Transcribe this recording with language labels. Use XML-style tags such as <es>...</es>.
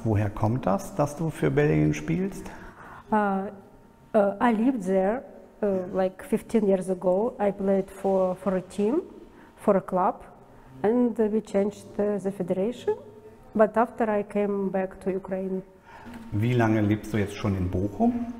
<de>Woher kommt das, dass du für Belgien spielst?</de> <en>I lived there. Like 15 years ago, I played for a team, for a club, and we changed the federation. But after I came back to Ukraine.</en> <de>Wie lange lebst du jetzt schon in Bochum?</de>